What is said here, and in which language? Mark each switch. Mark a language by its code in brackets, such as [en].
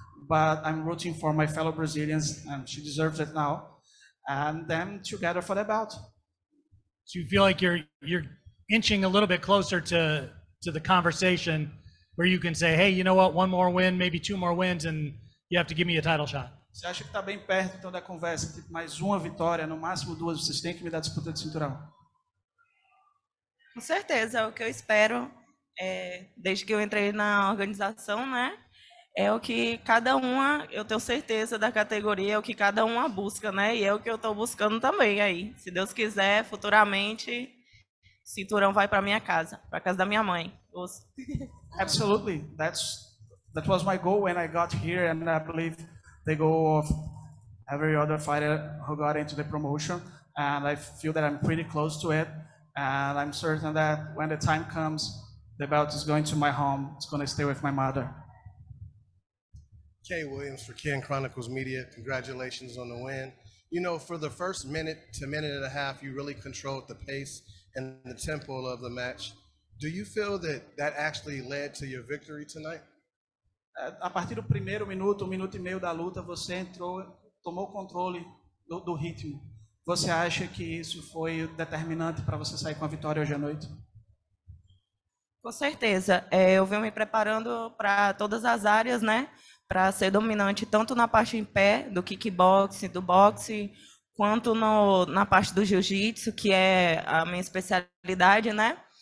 [en] But I'm rooting for my fellow Brazilians, and she deserves it now. And then together for the bout. So you feel like you're inching a little bit closer to the conversation where you can say, hey, you know what, one more win, maybe two more wins, and you have to give me a title shot. [pt] Você acha que tá bem perto, então, da conversa, tipo, mais uma vitória, no máximo duas, vocês têm que me dar disputa de cinturão? Com certeza, é o que eu espero, desde que eu entrei na organização, né? É o que cada uma, eu tenho certeza da categoria, é o que cada uma busca, né? E é o que eu tô buscando também aí. Se Deus quiser, futuramente, cinturão vai para minha casa, para casa da minha mãe. [en] Absolutely. That was my goal when I got here, and I believe the goal of every other fighter who got into the promotion. And I feel that I'm pretty close to it. And I'm certain that when the time comes, the belt is going to my home. It's going to stay with my mother. Kay Williams for Ken Chronicles Media. Congratulations on the win. You know, for the first minute to minute and a half, you really controlled the pace and the tempo of the match. Do you feel that actually led to your victory tonight? [pt] A partir do primeiro minuto, minuto e meio da luta, você entrou, tomou controle do ritmo. Você acha que isso foi determinante para você sair com a vitória hoje à noite? Com certeza. Eu venho me preparando para todas as áreas, né? Para ser dominante tanto na parte em pé do kickboxing, do boxe, quanto no, na parte do jiu-jitsu, que é a minha especialidade, né?